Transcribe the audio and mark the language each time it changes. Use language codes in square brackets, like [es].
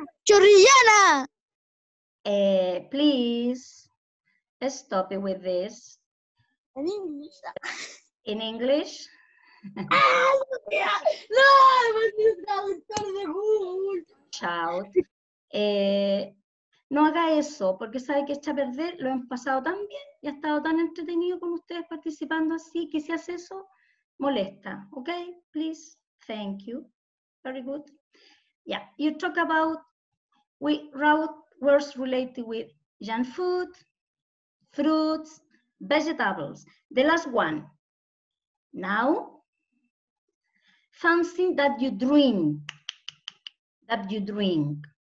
[es] Chorrillana! [en] Please, stop it with this. In English? In English? No, I was just going to start the Google. Shout. [es] No haga eso, porque sabe que echa a perder, lo han pasado tan bien y ha estado tan entretenido con ustedes participando así, que si hace eso, molesta. [en] Okay, please, thank you. Very good. Yeah, you talk about, we wrote words related with junk food, fruits, vegetables. The last one. Now, something that you drink.